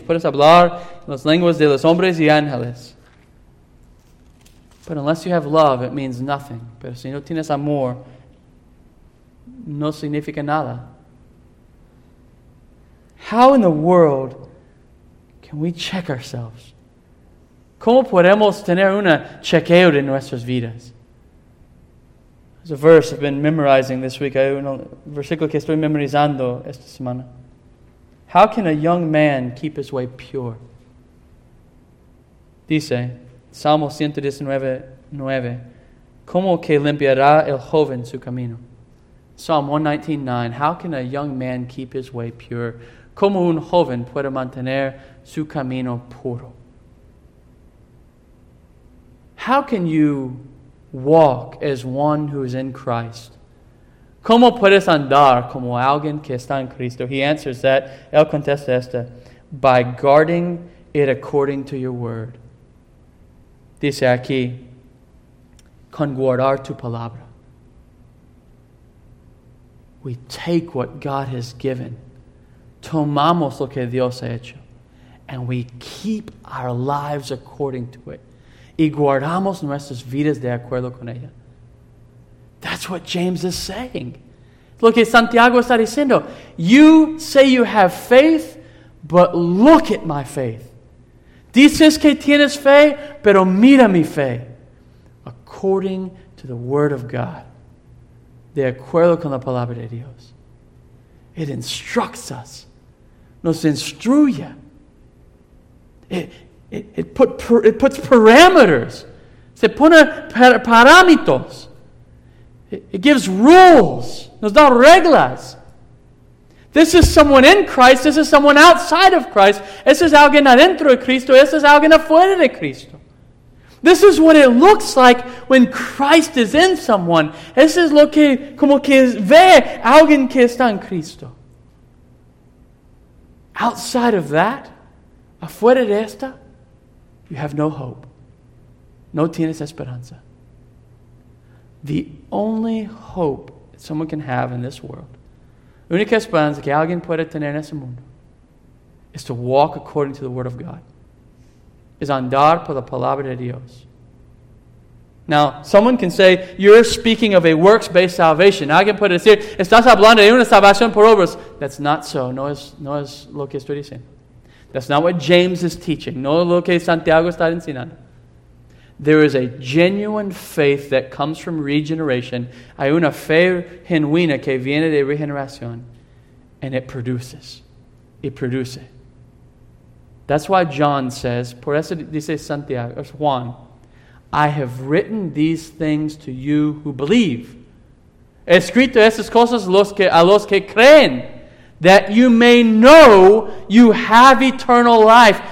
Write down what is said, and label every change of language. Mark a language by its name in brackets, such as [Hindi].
[Spanish] Puedes hablar en las lenguas de los hombres y ángeles. [English] But unless you have love, it means nothing. [Spanish] Pero si no tienes amor, no significa nada. [English] How in the world can we check ourselves? [Spanish] ¿Cómo podemos tener una chequeo de nuestras vidas? [English] There's a verse I've been memorizing this week. [Spanish] Un versículo que estoy memorizando esta semana. [English] How can a young man keep his way pure? [Spanish] Dice, Salmo 119:9. ¿Cómo que limpiará el joven su camino? [English] Psalm 119:9. How can a young man keep his way pure? [Spanish] ¿Cómo un joven puede mantener su camino puro? [English] How can you walk as one who is in Christ? [Spanish] ¿Cómo puedes andar como alguien que está en Cristo? [English] He answers that. [Spanish] Él contesta esta. [English] By guarding it according to your word. [Spanish] Dice aquí, con guardar tu palabra. [English] We take what God has given. [Spanish] Tomamos lo que Dios ha hecho. [English] And we keep our lives according to it. [Spanish] Y guardamos nuestras vidas de acuerdo con ella. [English] That's what James is saying. Look at [Spanish] Santiago está diciendo. [English] You say you have faith, but look at my faith. [Spanish] Dices que tienes fe, pero mira mi fe. [English] According to the word of God. [Spanish] De acuerdo con la palabra de Dios. [English] It instructs us. [Spanish] Nos instruye. [English] It puts parameters. [Spanish] Se pone parámetros. [English] It gives rules. [Spanish] Nos da reglas. [English] This is someone in Christ. This is someone outside of Christ. [Spanish] Este es alguien adentro de Cristo. Este es alguien afuera de Cristo. [English] This is what it looks like when Christ is in someone. [Spanish] Este es lo que, como que ve alguien que está en Cristo. [English] Outside of that, [Spanish] afuera de esta, [English] you have no hope. [Spanish] No tienes esperanza. [English] The only hope that someone can have in this world, [Spanish] la única esperanza que alguien puede tener en este mundo, [English] is to walk according to the word of God. [Spanish] Is andar por la palabra de Dios. [English] Now, someone can say, you're speaking of a works-based salvation. [Spanish] Alguien puede decir, estás hablando de una salvación por obras. [English] That's not so. [Spanish] No es lo que estoy diciendo. [English] That's not what James is teaching. [Spanish] No lo que Santiago está enseñando. [English] There is a genuine faith that comes from regeneration. [Spanish] Hay una fe genuina que viene de regeneración. [English] And it produces. It produces. That's why John says, [Spanish] por eso dice Santiago, [English] or Juan, I have written these things to you who believe. [Spanish] He escrito esas cosas a los que creen. [English] That you may know you have eternal life.